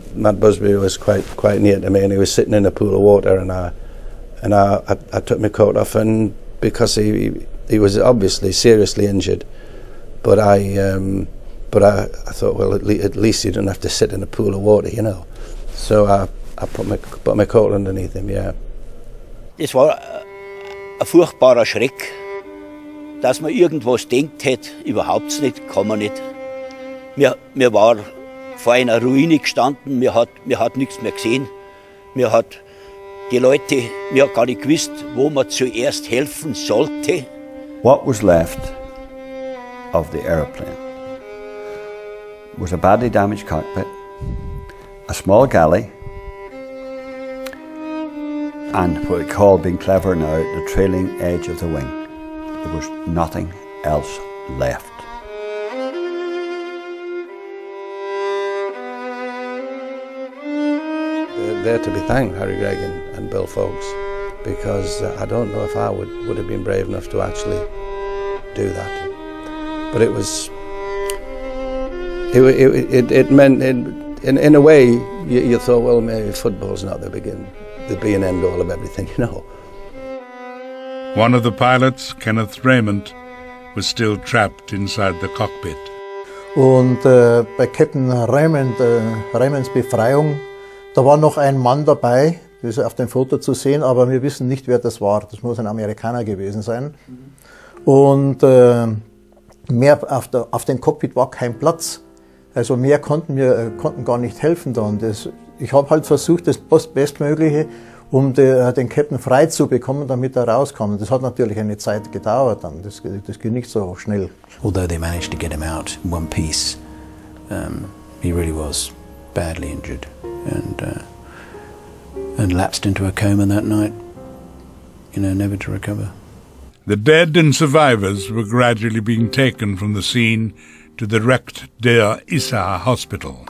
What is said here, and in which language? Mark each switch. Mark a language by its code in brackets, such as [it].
[en] Matt Busby was quite near to me, and he was sitting in a pool of water, and I took my coat off, and because he was obviously seriously injured, but I thought, well, at least you don't have to sit in a pool of water, you know. So I put my coat underneath him. Yeah. [de] Das war ein furchtbarer Schreck, dass man irgendwas denkt hätte, überhaupt nicht, kann man nicht. Wir waren vor einer Ruine gestanden, wir hat nichts mehr gesehen. Wir hat gar nicht gewusst, wo man zuerst helfen sollte. [en] What was left of the aeroplane was a badly damaged cockpit, a small galley, and what we call, being clever now, the trailing edge of the wing. There was nothing else left. There to be thanked, Harry Gregg and Bill Folks, because I don't know if I would have been brave enough to actually do that. But it meant, in a way, you thought, well, maybe football's not the be-and-end all of everything, you know. One of the pilots, Kenneth Raymond, was still trapped inside the cockpit. [de] Und bei Captain Raymond, Raymonds Befreiung, da war noch ein Mann dabei, das ist auf dem Foto zu sehen, aber wir wissen nicht, wer das war. Das muss ein Amerikaner gewesen sein. Und mehr auf dem Cockpit war kein Platz. Also mehr konnten wir gar nicht helfen dann. Ich habe halt versucht, das Bestmögliche, um den Captain frei zu bekommen, damit er rauskommt. Das hat natürlich eine Zeit gedauert dann. Das ging nicht so schnell. [en] Although they managed to get him out in one piece, he really was badly injured. And lapsed into a coma that night, you know, never to recover. The dead and survivors were gradually being taken from the scene to the Red Star Belgrade hospital.